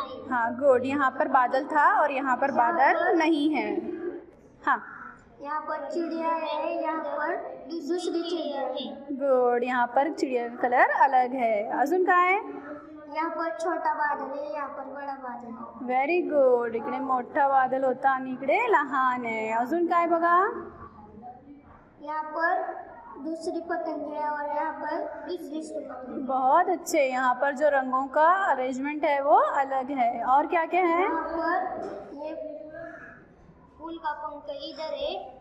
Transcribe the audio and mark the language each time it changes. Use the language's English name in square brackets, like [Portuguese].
[Hindi] हाँ गुड, यहाँ पर बादल था और यहाँ पर बादल नहीं है। हाँ, यहाँ पर चिड़िया है, यहाँ पर दूसरी चिड़िया है। गुड, यहाँ पर चिड़िया का कलर अलग है। [Marathi] अजून काय? [Hindi] यहाँ पर छोटा बादल है, यहाँ पर बड़ा बादल है। [Marathi] वेरी गुड, इकडे मोठा बादल होता आणि इकडे लहान है। अजून काय बघा? [Hindi] यहाँ पर दूसरी पतंग है और यहाँ पर दूसरी पतंग। बहुत अच्छे, यहाँ पर जो रंगों का अरेंजमेंट है वो अलग है। और क्या क्या है? यहाँ पर ये फूल का पंख इधर है।